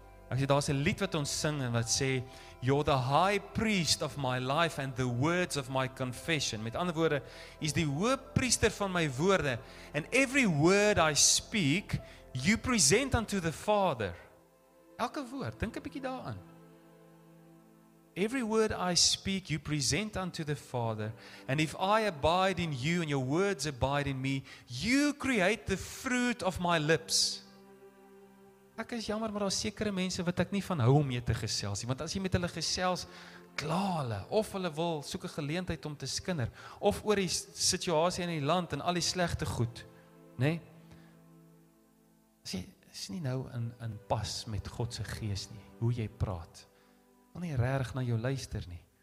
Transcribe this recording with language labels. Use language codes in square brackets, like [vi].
[af] Ek sê daar's 'n lied wat ons sing en wat sê [en] you're the high priest of my life and the words of my confession. [af] Met ander woorde, is die hoëpriester van my woorde [en] and every word I speak, you present unto the Father. [af] Elke woord, dink 'n bietjie daaraan. [en] Every word I speak, you present unto the Father. And if I abide in you and your words abide in me, you create the fruit of my lips. [af] ek is jammer, maar daar is sekere mense wat ek nie van hou om mee te gesels nie, want as jy met hulle gesels, klaar hulle, of hulle wil soek 'n geleentheid om te skinder, of oor die situasie in die land en al die slegte goed, nee, is nie nou in pas met Godse gees nie, hoe jy praat, wil nie rarig na jou luister nie.